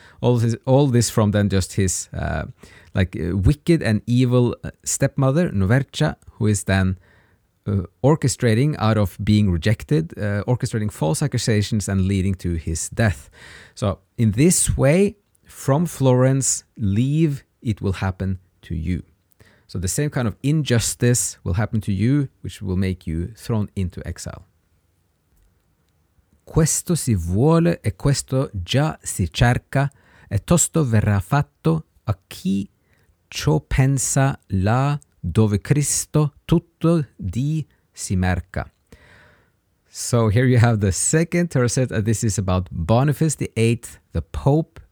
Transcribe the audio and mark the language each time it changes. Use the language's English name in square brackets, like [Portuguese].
[English] All this from then just his wicked and evil stepmother, Novercia, who is then orchestrating out of being rejected, orchestrating false accusations and leading to his death. So in this way, from Florence, leave, it will happen to you. So the same kind of injustice will happen to you, which will make you thrown into exile. [Italian] Questo si vuole e questo già si cerca e tosto verrà fatto a chi ciò pensa là dove Cristo tutto di si merca. [English] So here you have the second tercet. This is about Boniface VIII, the Pope